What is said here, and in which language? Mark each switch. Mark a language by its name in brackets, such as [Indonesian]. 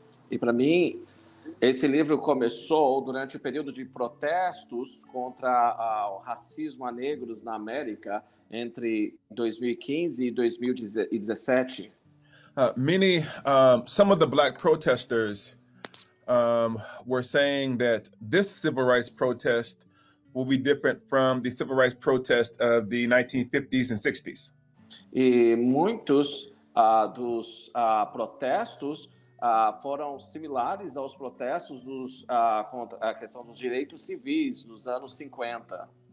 [Portuguese] E para mim, esse livro começou durante o período de protestos contra o racismo a negros na América entre 2015 e 2017. [English] Some of the black protesters were saying that this civil rights protest will be different from the civil rights protest of the 1950s and 60s. [Portuguese] E muitos dos protestos foram similares aos protestos dos contra a questão dos direitos civis nos anos 50.